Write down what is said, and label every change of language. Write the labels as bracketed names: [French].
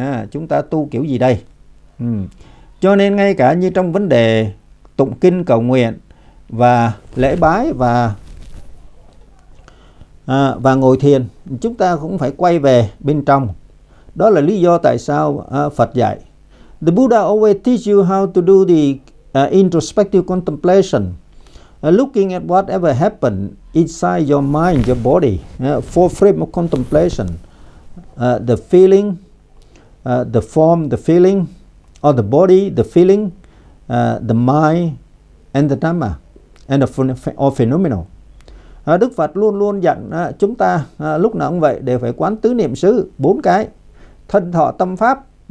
[Vietnamese] Chúng ta tu kiểu gì đây? Cho nên ngay cả như trong vấn đề tụng kinh, cầu nguyện và lễ bái và ngồi thiền, chúng ta cũng phải quay về bên trong. Đó là lý do tại sao Phật dạy. [English] The Buddha always teach you how to do the introspective contemplation, looking at whatever happened inside your mind, your body, four frame of contemplation, the feeling, the form, the feeling, or the body, the feeling, the mind, and the dhamma, and the phenomenal. [Vietnamese] Đức Phật luôn luôn dặn chúng ta lúc nào cũng vậy, đều phải quán tứ niệm xứ, bốn cái, thân, thọ, tâm, pháp.